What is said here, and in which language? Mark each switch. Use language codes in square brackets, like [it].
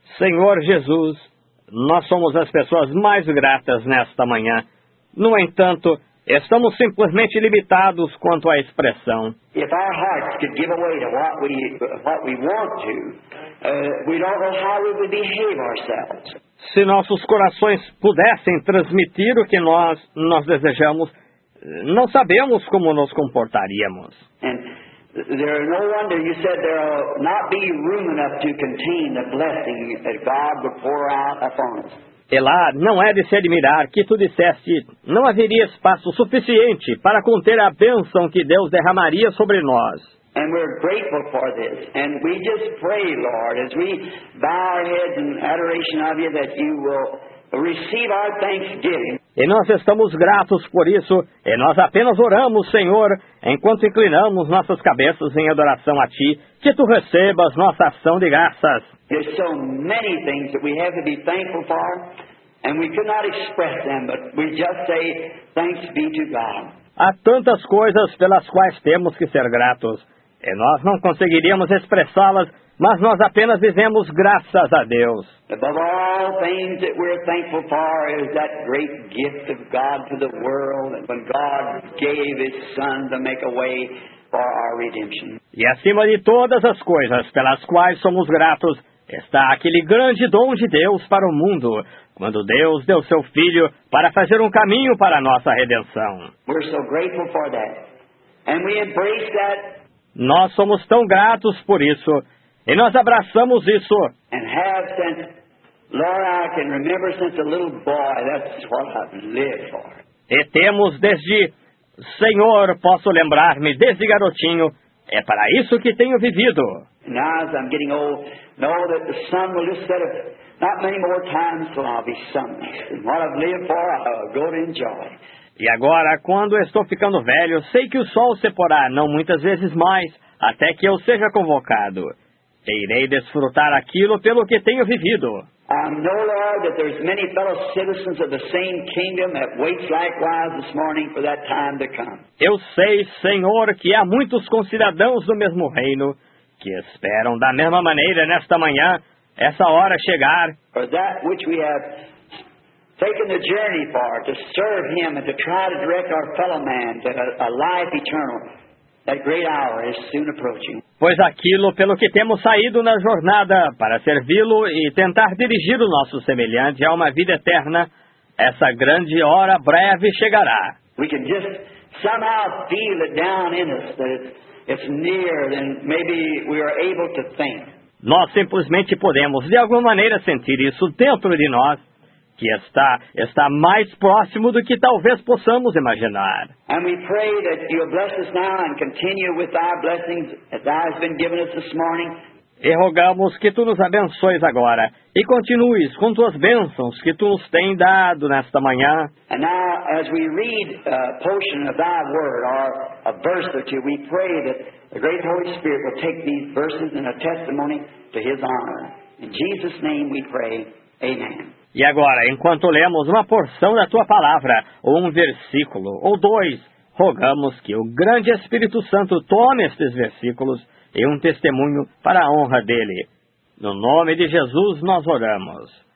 [pt] Senhor Jesus, nós somos as pessoas mais gratas nesta manhã. No entanto, estamos simplesmente limitados quanto à expressão. [en] If our hearts could give away to what we want to, we don't know how we would behave ourselves. [pt] Se nossos corações pudessem transmitir o que nós desejamos, não sabemos como nos comportaríamos. [en] And there is no wonder you said there will not be room enough to contain the blessing that God would pour out upon us. [pt] E lá, não é de se admirar que tu disseste, não haveria espaço suficiente para conter a bênção que Deus derramaria sobre nós. [en] And we're grateful for this. And we just pray, Lord, as we bow our heads in adoration of you, that you will receive our thanksgiving. [pt] E nós estamos gratos por isso, e nós apenas oramos, Senhor, enquanto inclinamos nossas cabeças em adoração a Ti, que Tu recebas nossa ação de graças. [en] There's so many things that we have to be thankful for, and we could not express them, but we just say, thanks be to God. [pt] Há tantas coisas pelas quais temos que ser gratos, e nós não conseguiríamos expressá-las, mas nós apenas dizemos graças a Deus. [en] Above all things that we're thankful for is that great gift of God to the world, and when God gave His Son to make a way for our redemption. [pt] E acima de todas as coisas pelas quais somos gratos, está aquele grande dom de Deus para o mundo, quando Deus deu Seu Filho para fazer um caminho para a nossa redenção. [en] We're so grateful for that. And we embrace that. [pt] Nós somos tão gratos por isso, e nós abraçamos isso. [en] And have since, Lord, I can remember since a little boy, that's what I've lived for. [pt] E temos desde, Senhor, posso lembrar-me desde garotinho, é para isso que tenho vivido. [en] Now as I'm getting old, know that the sun will just set up not many more times till I'll be sunless. And what I've lived for, I'll go to enjoy. [pt] E agora, quando estou ficando velho, sei que o sol se porá não muitas vezes mais, até que eu seja convocado. E irei desfrutar aquilo pelo que tenho vivido. [en] Know, Lord, that there's many fellow citizens of the same kingdom that waits likewise this morning for that time to come. [pt] Eu sei, Senhor, que há muitos concidadãos do mesmo reino que esperam da mesma maneira nesta manhã essa hora chegar. [en] For that which we have taken the journey for, to serve Him and to try to direct our fellow man to a life eternal. That great hour is soon approaching. [pt] Pois aquilo pelo que temos saído na jornada para servi-lo e tentar dirigir o nosso semelhante a uma vida eterna, essa grande hora breve chegará. [en] We can just somehow feel it down in us that it's near and maybe we are able to think. [pt] Nós simplesmente podemos de alguma maneira sentir isso dentro de nós, que está mais próximo do que talvez possamos imaginar. [en] And we pray that you bless us now and continue with our blessings as thou has been given us this morning. [pt] E rogamos que tu nos abençoes agora e continues com tuas bênçãos que tu nos tens dado nesta manhã. [en] And now as we read a portion of thy word or a verse or two, we pray that the great Holy Spirit will take these verses in a testimony to His honor. In Jesus' name we pray, amen. [pt] E agora, enquanto lemos uma porção da Tua Palavra, ou um versículo, ou dois, rogamos que o grande Espírito Santo tome estes versículos e um testemunho para a honra dEle. No nome de Jesus, nós oramos.